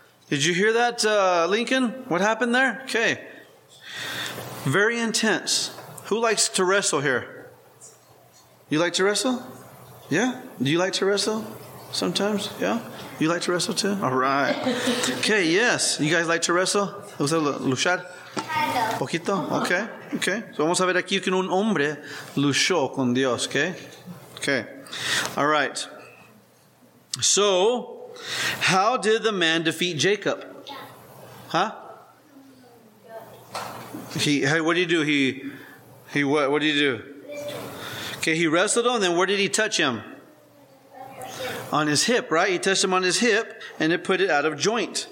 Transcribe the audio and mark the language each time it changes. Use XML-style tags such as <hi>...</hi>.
<en>Did you hear that, Lincoln? What happened there? Okay. Very intense. Who likes to wrestle here? You like to wrestle? Yeah? Do you like to wrestle sometimes? Yeah? You like to wrestle too? All right. Okay, yes. You guys like to wrestle? Was that Lushar? Poquito? Okay. Okay.</en> <es>So vamos a ver aquí que un hombre luchó con Dios, okay?</es> <en>Okay. All right. So, how did the man defeat Jacob? Huh? What did he do? Okay, he wrestled on. Then where did he touch him? On his hip, right? He touched him on his hip, and it put it out of joint.</en>